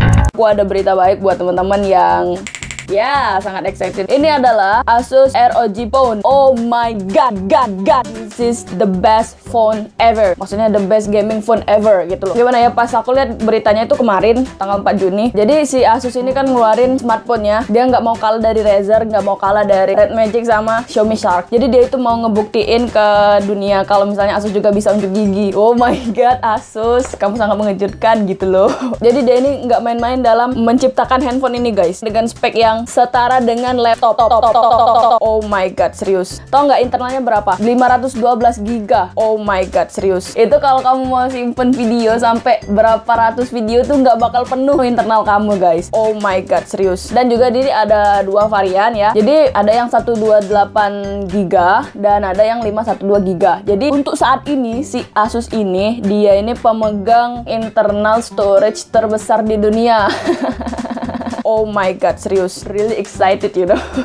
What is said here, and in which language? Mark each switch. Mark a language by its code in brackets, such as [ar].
[id] Aku ada berita baik buat teman-teman yang sangat excited. Ini adalah Asus ROG Phone. [en] Oh my god, this is the best phone ever. [id] Maksudnya [en] the best gaming phone ever [id] gitu loh. Gimana ya, pas aku lihat beritanya itu kemarin tanggal 4 Juni. Jadi si Asus ini kan ngeluarin smartphone-nya. Dia nggak mau kalah dari Razer, nggak mau kalah dari Red Magic sama Xiaomi Shark. Jadi dia itu mau ngebuktiin ke dunia kalau misalnya Asus juga bisa unjuk gigi. [en] Oh my god, [id] Asus, kamu sangat mengejutkan gitu loh. Jadi dia ini nggak main-main dalam menciptakan handphone ini, guys, dengan spek yang setara dengan laptop. [en] Oh my god, [id] serius. Tau nggak internalnya berapa? 512 giga. [en] Oh my god, [id] serius. Itu kalau kamu mau simpen video sampai berapa ratus video tuh nggak bakal penuh internal kamu, guys. [en] Oh my god, [id] serius. Dan juga ini ada dua varian ya. Jadi ada yang 128 giga dan ada yang 512 giga. Jadi untuk saat ini si Asus ini, dia ini pemegang internal storage terbesar di dunia. [en] Oh my god, [id] serius, [en] really excited, you know.